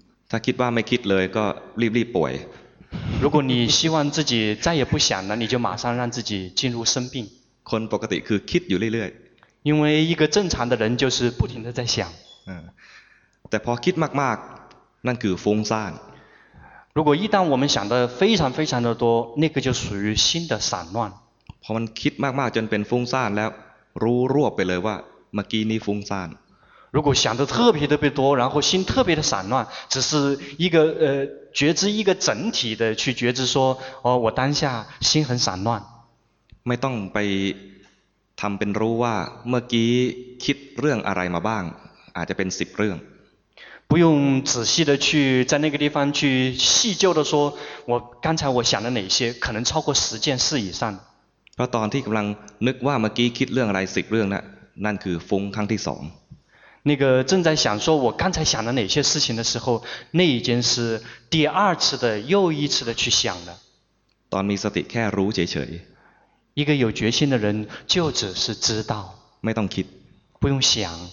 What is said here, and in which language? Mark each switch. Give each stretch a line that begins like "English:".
Thai: ถ้าคิดว่าไม่คิดเลยก็รีบๆป่วย
Chinese: 如果你希望自己再也不想了你就马上让自己进入生病
Thai: คนปกติคือคิดอยู่เรื่อย
Chinese: ๆ因为一个正常的人就是不停的在想
Thai: แต่พอคิดมากๆนั่นคือฟุ้งซ่าน
Chinese: 如果一旦我们想的非常非常的多那个就属于心的散乱
Thai: พอมันคิดมากๆจนเป็นฟุ้งซ่านแล้วรู้รวบไปเลยว่าเมื่อกี้นี้ฟุ้งซ่าน
Chinese: 如果想的特别特别多然后心特别的散乱只是一个觉知一个整体的去觉知说哦我当下心很散乱
Thai: ไม่ต้องไปทำเป็นรู้ว่าเมื่อกี้คิดเรื่องอะไรมาบ้างอาจจะเป็นสิบเรื่อง
Chinese: 不用仔细的去在那个地方去细究的说我刚才我想了哪些可能超过十件事以上
Thai: เพราะตอนที่กำลังนึกว่าเมื่อกี้คิดเรื่องอะไรสิบเรื่องนั่นนั่นคือฟุ้งครั้งที่สอง
Chinese: 那个正在想说我刚才想了哪些事情的时候那已经是第二次的又一次的去想了
Thai: ตอนมีสติแค่รู้เฉย
Chinese: 一个有决心的人就只是知道
Thai: ไม่ต้องคิด
Chinese: 不用想